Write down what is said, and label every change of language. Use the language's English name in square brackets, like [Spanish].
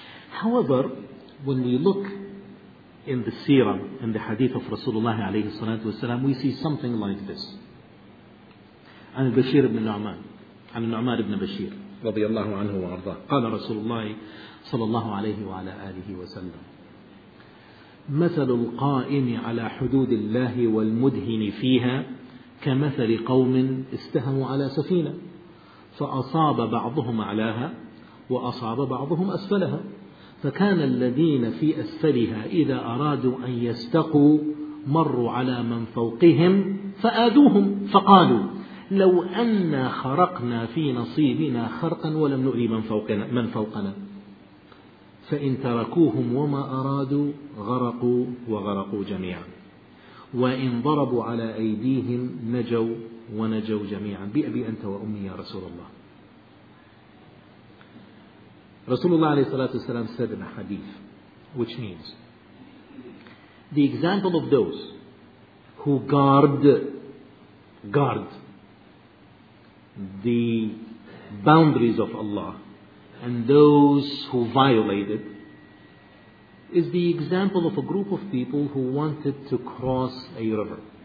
[English] However, when we look in the seerah, in the hadith of Rasulullah alayhi salatu wasalam, we see something like this. [Arabic] عن البشير بن نعمان عن النعمان بن بشير رضي الله عنه وارضاه قال رسول الله صلى الله عليه وعلى آله وسلم مثل القائم على حدود الله والمدهن فيها كمثل قوم استهموا على سفينة فأصاب بعضهم أعلاها وأصاب بعضهم أسفلها فكان الذين في أسفلها إذا أرادوا أن يستقوا مروا على من فوقهم فآذوهم فقالوا لو أنا خرقنا في نصيبنا خرقا ولم نؤذي من فوقنا فإن تركوهم وما أرادوا غرقوا وغرقوا جميعا وإن ضربوا على أيديهم نجوا ونجوا جميعا بأبي أنت وأمي يا رسول الله. رسول الله عليه الصلاة والسلام [English] said in a hadith, which means the example of those who guard the boundaries of Allah and those who violate it is the example of a group of people who wanted to cross a river.